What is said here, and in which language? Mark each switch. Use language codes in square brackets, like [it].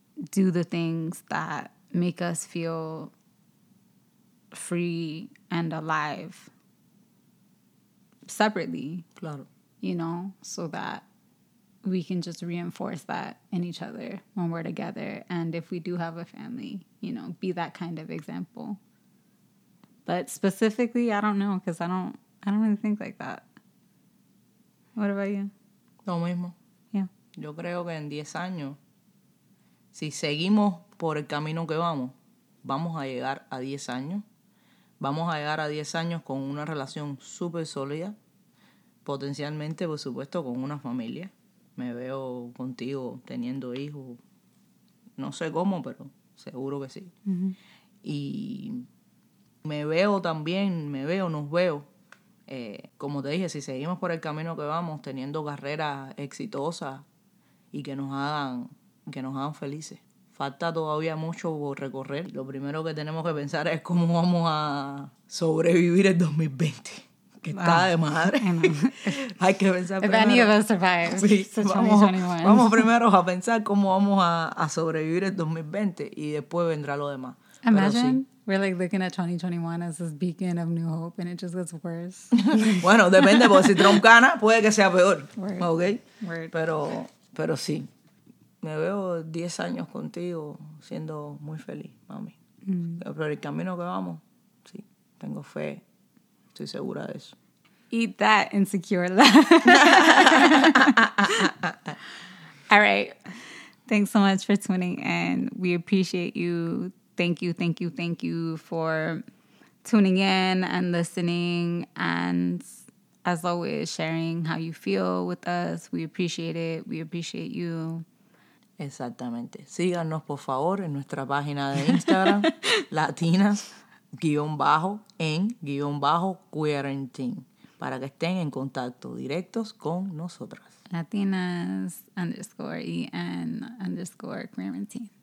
[en] do the things that make us feel free and alive separately, you know, so that we can just reinforce that in each other when we're together. And if we do have a family, you know, be that kind of example. But specifically, I don't know, because I don't really think like that. What about you? [es] Lo mismo. [en] Yeah. [es] Yo creo que en 10 años, si seguimos por el camino que vamos, vamos a llegar a 10 años. Vamos a llegar a 10 años con una relación súper sólida. Potencialmente, por supuesto, con una familia. Me veo contigo teniendo hijos. No sé cómo, pero seguro que sí. Uh-huh. Y me veo también, me veo, nos veo. Como te dije, si seguimos por el camino que vamos, teniendo carreras exitosas y que nos hagan felices. Falta todavía mucho por recorrer. Lo primero que tenemos que pensar es cómo vamos a sobrevivir el 2020. Que está de madre. Hay que pensar [en] if [es] primero. [en] If any of us survive, sí, so 2021. [es] Vamos primero a pensar cómo vamos a sobrevivir el 2020 y después vendrá lo demás. [en] Imagine, [es] pero sí. [en] We're like looking at 2021 as this beacon of new hope and it just gets worse. [es] Bueno, depende, porque si Trump gana, puede que sea peor. [en] Word. [es] ¿Ok? [en] Word. [es] Pero sí. Me veo 10 años contigo siendo muy feliz, mami. Mm-hmm. Pero el camino que vamos, sí, tengo fe. Estoy segura de eso. [en] Eat that insecure laugh. All right. Thanks so much for tuning in. We appreciate you. Thank you, thank you, thank you for tuning in and listening. And as always, sharing how you feel with us. We appreciate it. We appreciate you. [es] Exactamente. Síganos, por favor, en nuestra página de Instagram, latinas_en_quarantine, para que estén en contacto directos con nosotras. latinas_en_quarantine.